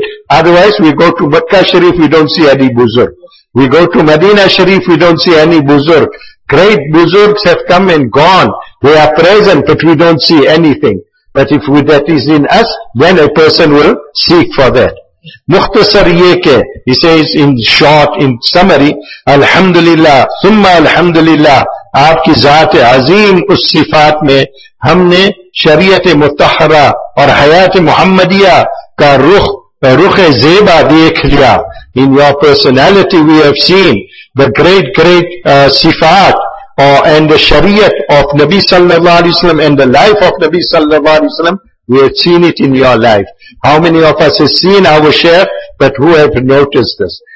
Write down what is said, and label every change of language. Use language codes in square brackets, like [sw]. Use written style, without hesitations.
[en] Otherwise, we go to Makkah Sharif, we don't see any buzurg. We go to Medina Sharif, we don't see any buzurg. Great buzurgs have come and gone. They are present, but we don't see anything. But if that is in us, then a person will seek for that. [ur] مختصر یہ کہ, [en] he says in short, in summary, [ur] الحمدللہ ثم الحمدللہ, آپ کی ذات عظیم اس صفات میں ہم نے شریعت مطہرہ اور حیات محمدیہ کا رخ زیبا دیکھ لیا. [en] In your personality we have seen the great صفات And the Shariat of Nabi Sallallahu Alaihi Wasallam and the life of Nabi Sallallahu Alaihi Wasallam, we have seen it in your life. How many of us have seen our share, but who have noticed this?